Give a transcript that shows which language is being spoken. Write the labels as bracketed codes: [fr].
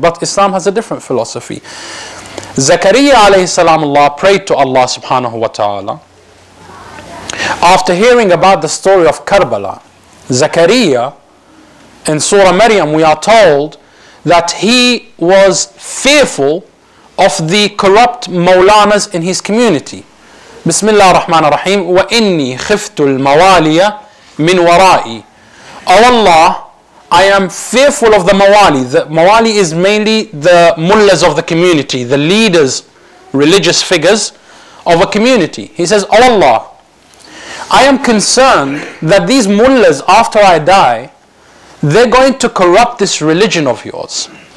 [en] But Islam has a different philosophy. Zakariya alayhi salam Allah prayed to Allah subhanahu wa ta'ala. After hearing about the story of Karbala, Zakariya, in Surah Maryam, we are told that he was fearful of the corrupt Mawlanas in his community. [ar] بسم الله الرحمن الرحيم وإني خفت الموالي من ورائي. [en] Oh Allah, I am fearful of the mawali. The mawali is mainly the mullahs of the community, the leaders, religious figures of a community. He says, Oh Allah, I am concerned that these mullahs, after I die, they're going to corrupt this religion of yours.